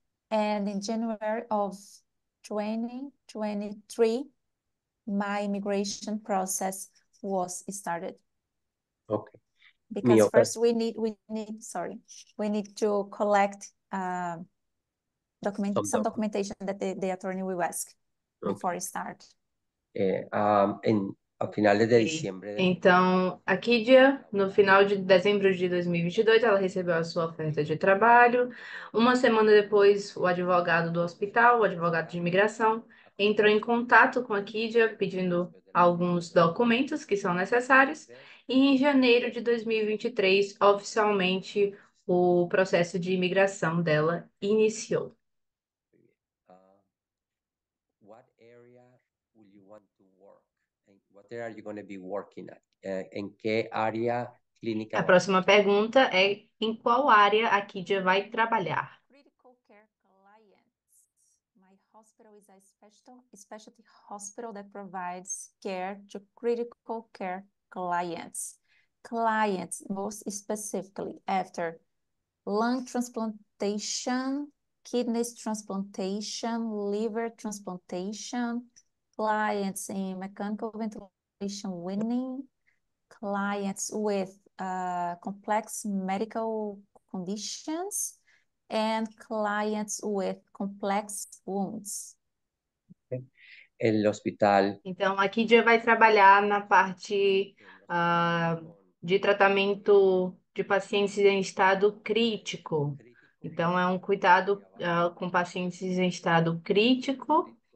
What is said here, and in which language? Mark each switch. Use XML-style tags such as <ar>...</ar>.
<en>And in January of 2023, my immigration process was started. Okay. Because first we need to collect some documentation that the attorney will ask. Before you start.</en> <pt>A finales de diciembre. Então, a Kidia, no final de dezembro de 2022, ela recebeu a sua oferta de trabalho. Uma semana depois, o advogado do hospital, o advogado de imigração, entrou em contato com a Kidia pedindo alguns documentos que são necessários. E em janeiro de 2023, oficialmente, o processo de imigração dela iniciou.</pt> <en>What area will you want to work? And what what are you going to be working at?</en> <pt>Em que área clínica? A próxima pergunta é: em qual área a Kidia vai trabalhar?</pt> <en>Critical care clients. My hospital is a specialty hospital that provides care to critical care clients. Clients, most specifically, after lung transplantation, kidney transplantation, liver transplantation, clients in mechanical ventilation weaning, clients with complex medical conditions, and clients with complex wounds.</en> <pt>El hospital. Então, a Kidia vai trabalhar na parte de tratamento de pacientes em estado crítico. Então, é um cuidado com pacientes em estado crítico.</pt>